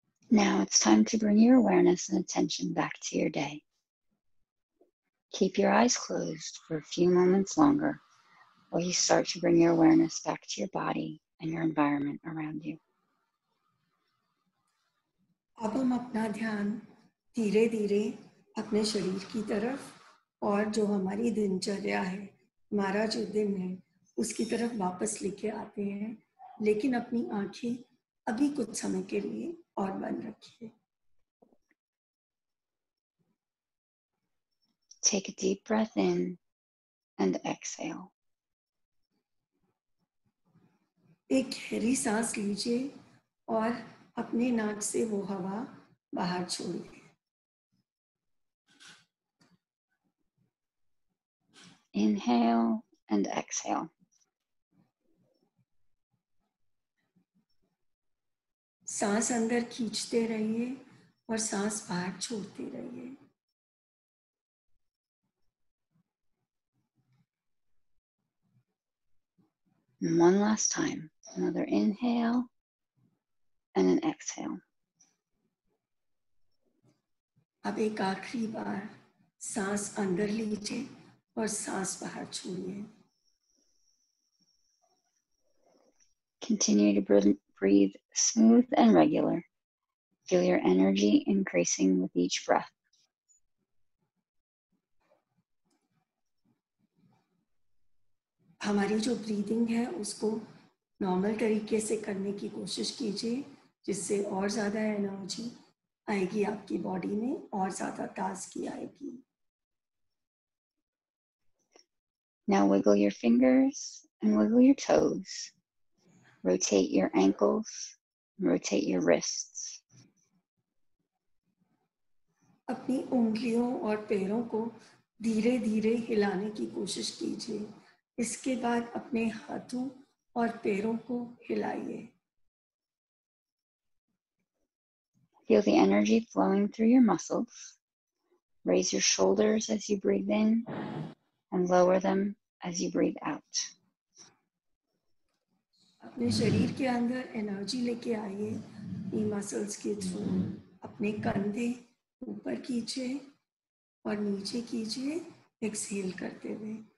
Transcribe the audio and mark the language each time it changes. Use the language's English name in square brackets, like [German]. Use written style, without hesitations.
[English] Now it's time to bring your awareness and attention back to your day. Keep your eyes closed for a few moments longer while you start to bring your awareness back to your body and your environment around you. [Hindi] अब हम अपना ध्यान धीरे धीरे अपने शरीर की तरफ और जो हमारी दिनचर्या है हमारा जो दिन है उसकी तरफ वापस लेके आते हैं लेकिन अपनी आंखें अभी कुछ समय के लिए और बंद रखिए. [English] Take a deep breath in and exhale. [Hindi] एक गहरी सांस लीजिए और अपने नाक से वो हवा बाहर छोड़िए. [English] Inhale and exhale. [Hindi] सांस अंदर खींचते रहिए और सांस बाहर छोड़ते रहिए. [English] One last time, another inhale and an exhale. [Hindi] अब एक आखिरी बार सांस अंदर लीजिए और सांस बाहर छोड़िए. [English] Continue to breathe smooth and regular. Feel your energy increasing with each breath. [Hindi] हमारी जो ब्रीदिंग है उसको नॉर्मल तरीके से करने की कोशिश कीजिए जिससे और ज्यादा एनर्जी आएगी आपकी बॉडी में और ज्यादा ताजगी आएगी. [English] Now wiggle your fingers and wiggle your toes. Rotate your ankles, rotate your wrists. [Hindi] अपनी उंगलियों और पैरों को धीरे धीरे हिलाने की कोशिश कीजिए. इसके बाद अपने हाथों और पैरों को हिलाइए. [English] Feel the energy flowing through your muscles. Raise your shoulders as you breathe in and lower them as you breathe out. [Hindi] अपने शरीर के अंदर एनर्जी लेके आइए इन मसल्स के थ्रू. अपने कंधे ऊपर कीजिए और नीचे कीजिए एक्सहेल करते हुए.